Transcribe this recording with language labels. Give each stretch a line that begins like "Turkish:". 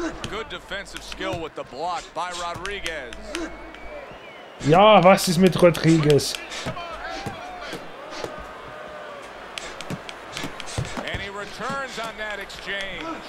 English: Good defensive skill with the block by Rodriguez.
German: Ja, was ist mit Rodriguez?
English: And he returns on that exchange.